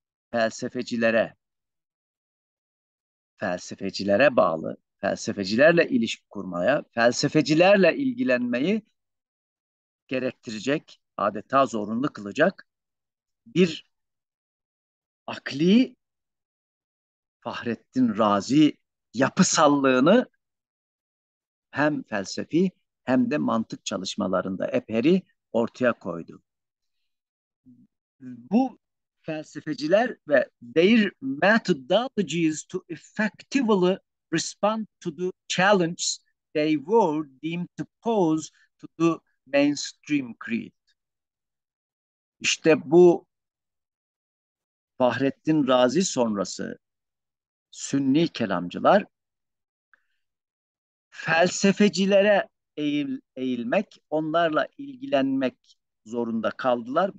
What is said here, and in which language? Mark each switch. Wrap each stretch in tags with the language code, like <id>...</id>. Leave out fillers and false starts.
<tr>Felsefecilere bağlı, felsefecilerle ilişki kurmaya, felsefecilerle ilgilenmeyi gerektirecek, adeta zorunlu kılacak bir akli Fahrettin Razi yapısallığını hem felsefi hem de mantık çalışmalarında eperi ortaya koydu. Bu felsefeciler ve</tr> <en>their methodologies to effectively respond to the challenge they were deemed to pose to the mainstream creed.</en> <tr>İşte bu Fahrettin Razi sonrası Sünni kelamcılar felsefecilere eğilmek, onlarla ilgilenmek zorunda kaldılar.</tr>